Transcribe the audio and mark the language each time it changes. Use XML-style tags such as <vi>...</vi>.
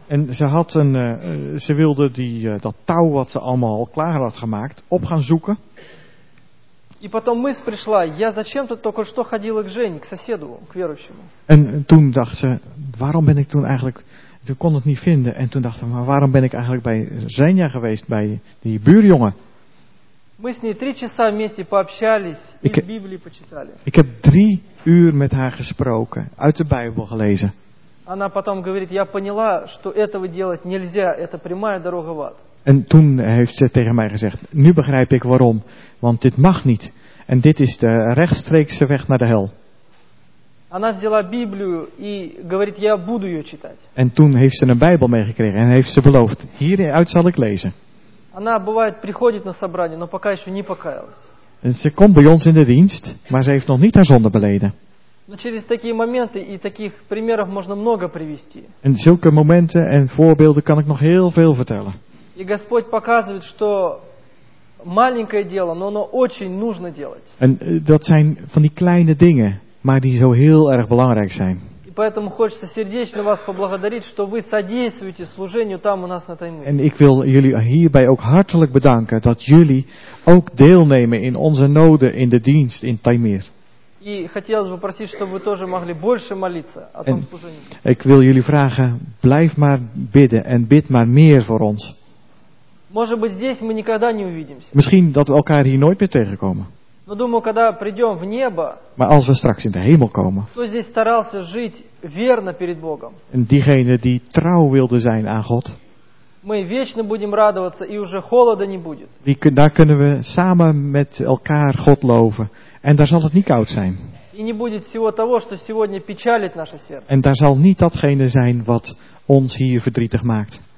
<nl>En ze had ze wilde dat touw wat ze allemaal al klaar had gemaakt op gaan zoeken.</nl> <ru>И потом мысль пришла, я зачем-то только что ходила к Жене, к соседу, к верующему.</ru> <nl>En toen dacht ze, waarom ben ik toen eigenlijk, toen kon het niet vinden, en toen dacht ze, maar waarom ben ik eigenlijk bij Zenja geweest, bij die buurjongen?</nl> <ru>Мы с ней 3 часа вместе пообщались и из Библии почитали.</ru> <nl>Ik heb 3 uur met haar gesproken, uit de Bijbel gelezen.</nl> <ru>Она потом говорит, я поняла, что этого делать нельзя, это прямая дорога в ад.</ru> <nl>En toen heeft ze tegen mij gezegd, nu begrijp ik waarom, want dit mag niet. En dit is de rechtstreekse weg naar de hel.</nl> <ru>Она взяла Библию и говорит, я буду ее читать.</ru> <nl>En toen heeft ze een Bijbel meegekregen en heeft ze beloofd, hieruit zal ik lezen.</nl> <ru>Она бывает приходит на собрание, но пока еще не покаялась.</ru> <nl>En ze komt bij ons in de dienst, maar ze heeft nog niet haar zonde beleden.</nl> <ru>Но через такие моменты и таких примеров можно много привести.</ru> <nl>En zulke momenten en voorbeelden kan ik nog heel veel vertellen.</nl> <ru>И Господь показывает, что маленькое дело, но оно очень нужно делать.</ru> <nl>En dat zijn van die kleine dingen, maar die zo heel erg belangrijk zijn.</nl> <ru>Поэтому хочется сердечно вас поблагодарить, что вы содействуете служению там у нас на Таймыре.</ru> <nl>En ik wil jullie hierbij ook hartelijk bedanken dat jullie ook deelnemen in onze noden in de dienst in Таймыр.</nl> <ru>И хотелось бы просить, чтобы вы тоже могли больше молиться о том служении.</ru> <nl>Ik wil jullie vragen, blijf maar bidden en bid maar meer voor ons.</nl> <ru>Может быть, здесь мы никогда не увидимся.</ru> <nl>Misschien dat we elkaar hier nooit meer tegenkomen.</nl> <ru>Но думаю, когда придем в небо.</ru> <nl>Maar als we straks in de hemel komen.</nl> <ru>Кто здесь старался жить верно перед Богом?</ru> <nl>En diegene die trouw wilde zijn aan God.</nl> <ru>Мы вечно будем радоваться и уже холода не будет.</ru> <nl>Daar kunnen we samen met elkaar God loven en daar zal het niet koud zijn.</nl> <ru>И не будет всего того, что сегодня печалит наше сердце.</ru> <nl>En daar zal niet datgene zijn wat ons hier verdrietig maakt.</nl>